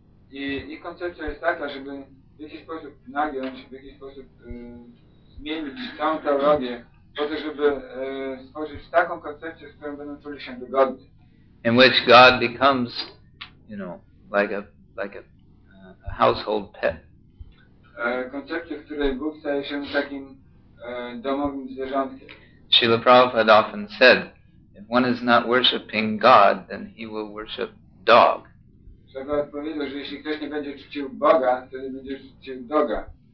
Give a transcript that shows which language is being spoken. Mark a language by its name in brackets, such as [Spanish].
[Polish] I ich koncepcja jest taka, żeby w jakiś sposób nagiąć, w jakiś sposób zmienić całą teologię, po to, żeby stworzyć taką koncepcję, z którą będą czuli się wygodnie. [English] In which God becomes, you know, like a household pet. [Polish] Koncepcja, w której Bóg staje się takim domowym zwierzątkiem. [English] Śrīla Prabhupāda often said, if one is not worshiping God, then he will worship dog. [Polish] Śrīla powiedział, że jeśli ktoś nie będzie czcił Boga, wtedy będzie czcił doga.